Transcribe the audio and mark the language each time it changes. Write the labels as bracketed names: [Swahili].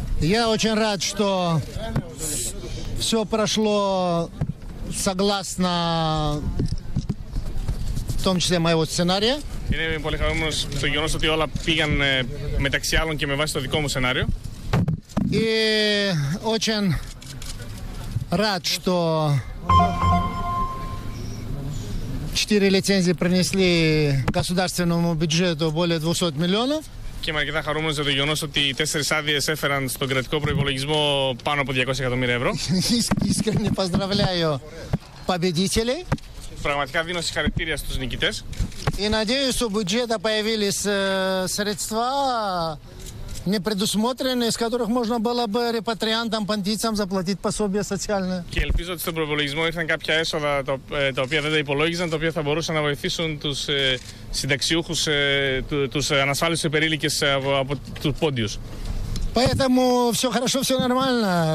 [Russian] Я очень рад, что все прошло согласно в том числе моего сценария. [Greek] Είναι πολύ χαρούμενος στο γεγονός ότι όλα πήγαν μεταξύ άλλων και με βάση το δικό μου σενάριο. [Russian] И очень рад, что четыре лицензии принесли государственному бюджету более 200 миллионов. [Greek] Και είμαι αρκετά χαρούμενος για το γεγονός ότι οι τέσσερις άδειες έφεραν στον κρατικό προϋπολογισμό πάνω από 200 εκατομμύρια ευρώ. [Russian] Искренне поздравляю победителей. [Greek] Πραγματικά δίνω συγχαρητήρια στους νικητές. [Russian] И надеюсь, у бюджета появились средства не предусмотренные, из которых можно было бы репатриантам, понтийцам заплатить пособие социальное. [Greek] Και ελπίζω ότι στον προϋπολογισμό ήρθαν κάποια έσοδα τα οποία δεν τα υπολόγιζαν, τα οποία θα μπορούσαν να βοηθήσουν τους συνταξιούχους, τους ανασφάλιστους υπερήλικες από τους πόντιους. [Russian] Поэтому все хорошо, все нормально.